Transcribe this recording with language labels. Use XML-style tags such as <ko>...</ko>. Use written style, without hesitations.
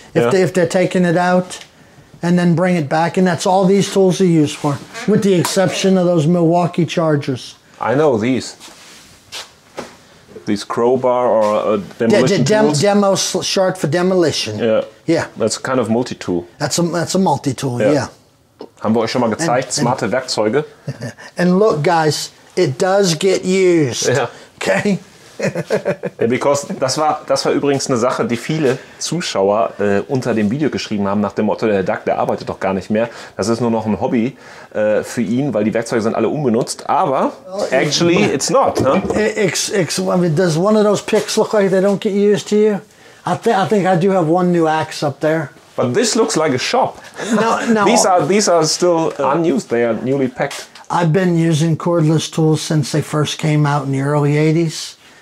<en>If they're taking it out and then bring it back. And that's all these tools are used for, with the exception of those Milwaukee chargers. I know these. These crowbar or demolition tools? Demo short for demolition. Yeah. Yeah. That's kind of multi-tool. That's a multi-tool, yeah.</en> <de>Haben wir euch schon mal gezeigt, smarte Werkzeuge.</de> <en>And look, guys, it does get used. Yeah. Okay? Yeah, because</en> <de>das war übrigens eine Sache, die viele Zuschauer unter dem Video geschrieben haben, nach dem Motto, der Doug, der arbeitet doch gar nicht mehr. Das ist nur noch ein Hobby für ihn, weil die Werkzeuge sind alle unbenutzt.</de> <en>Aber, actually, it's not. Huh? Does one of those picks look like they don't get used to you? I think I do have one new axe up there. But this looks like a shop. No. These are still unused. They are newly packed. I've been using cordless tools since they first came out in the early 80s.</en>